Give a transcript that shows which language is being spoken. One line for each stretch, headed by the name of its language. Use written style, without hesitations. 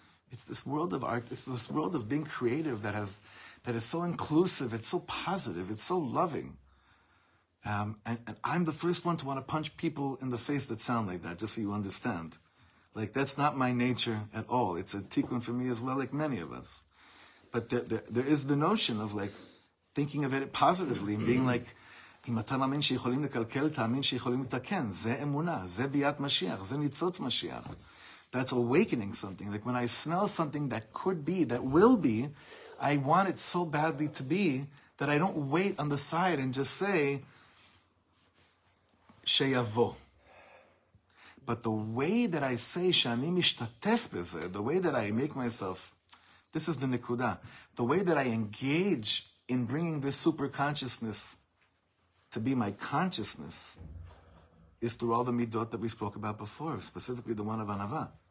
English: It's this world of art, it's this world of being creative that is so inclusive, it's so positive, it's so loving. And I'm the first one to want to punch people in the face that sound like that, just so you understand. Like, that's not my nature at all. It's a tikkun for me as well, like many of us. But there is the notion of like thinking of it positively and being like, אם אתה מאמין שיכולים לקלקל, תאמין שיכולים לתקן.
Hebrew: זה אמונה, זה ביאת משיח, זה ניצוץ משיח.
English: That's awakening something. Like when I smell something that could be, that will be, I want it so badly to be, that I don't wait on the side and just say, שיבוא. But the way that I say, שאני משתתף בזה, the way that I make myself, this is the נקודה, the way that I engage in bringing this super consciousness to be my consciousness, is through all the midot that we spoke about before, specifically the one of Anava.